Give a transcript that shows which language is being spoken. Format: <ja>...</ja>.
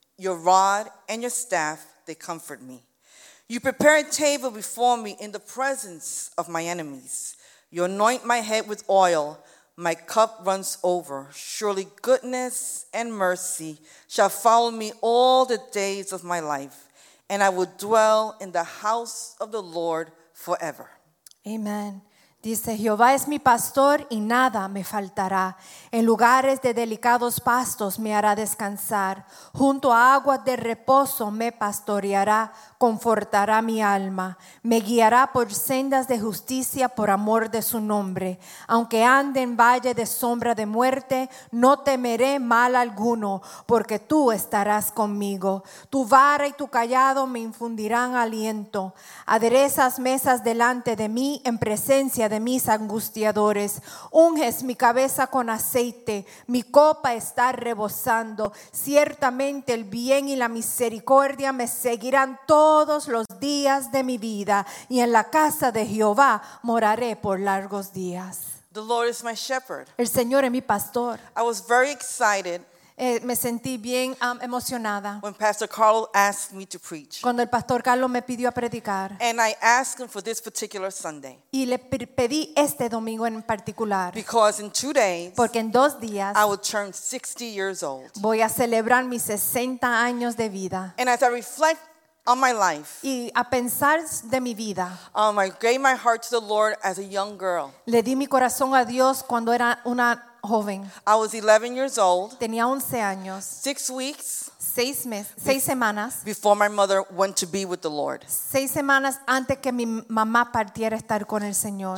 <en>Your rod and your staff, they comfort me. You prepare a table before me in the presence of my enemies. You anoint my head with oil. My cup runs over. Surely goodness and mercy shall follow me all the days of my life, and I will dwell in the house of the Lord forever. Amen.</en> <es>Dice, Jehová es mi pastor y nada me faltará. En lugares de delicados pastos me hará descansar. Junto a aguas de reposo me pastoreará, confortará mi alma. Me guiará por sendas de justicia por amor de su nombre. Aunque ande en valle de sombra de muerte, no temeré mal alguno, porque tú estarás conmigo. Tu vara y tu callado me infundirán aliento. Aderezas mesas delante de mí en presencia de mis angustiadores. Unges mi cabeza con aceite, mi copa está rebosando. Ciertamente el bien y la misericordia me seguirán todos los días de mi vida, y en la casa de Jehová moraré por largos días.</es> <en>The Lord is my shepherd.</en> <es>El Señor es mi pastor.</es> <en>I was very excited.</en> <es>Me sentí bien emocionada.</es> <en>When Pastor Carlo asked me to preach.</en> <es>Cuando el Pastor Carlo me pidió a predicar.</es> <en>And I asked him for this particular Sunday.</en> <es>Y le pedí este domingo en particular.</es> <en>Because in 2 days.</en> <es>Porque en 2 días.</es> <en>I will turn 60 years old.</en> <es>Voy a celebrar mis 60 años de vida.</es> <en>And as I reflect on my life.</en> <es>Y a pensar de mi vida.</es> <en>I gave my heart to the Lord as a young girl.</en> <es>Le di mi corazón a Dios cuando era una joven.</es> <en>I was 11 years old.</en> <es>Tenía 11 años.</es> <en>6 weeks.</en> <es>Seis semanas.</es> <en>Before my mother went to be with the Lord.</en> <es>6 semanas antes que mi mamá partiera a estar con el Señor.</es>